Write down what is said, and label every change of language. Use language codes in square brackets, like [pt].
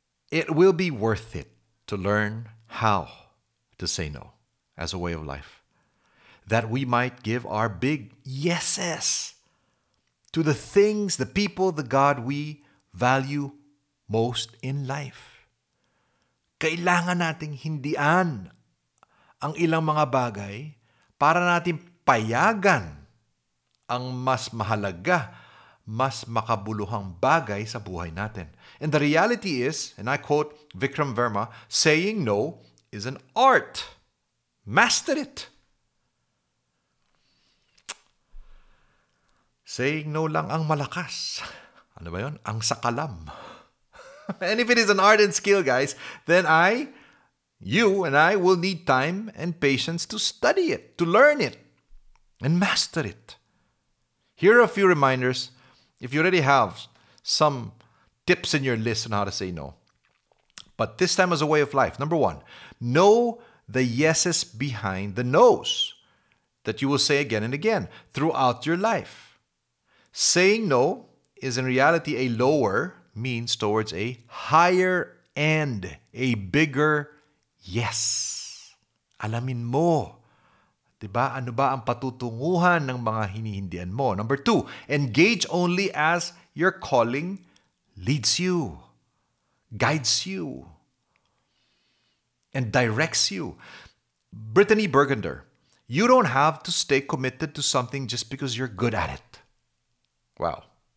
[en] It will be worth it to learn how to say no as a way of life, that we might give our big yeses to the things, the people, the God we value most in life. [tl] Kailangan nating hindian ang ilang mga bagay para natin payagan ang mas mahalaga, mas makabuluhang bagay sa buhay natin. [en] And the reality is, and I quote Vikram Verma, saying no is an art. Master it. Saying no [tl] lang ang malakas. Ano ba yun? Ang sakalam. [en] And if it is an art and skill, guys, then you and I will need time and patience to study it, to learn it, and master it. Here are a few reminders. If you already have some tips in your list on how to say no, but this time as a way of life. Number one, know the yeses behind the no's that you will say again and again throughout your life. Saying no is in reality a lower means towards a higher end, a bigger yes. [tl] Alamin mo. Diba? Ano ba ang patutunguhan ng mga hinihindian mo? [en] Number two, engage only as your calling leads you, guides you, and directs you. Brittany Burgunder, you don't have to stay committed to something just because you're good at it. Wow.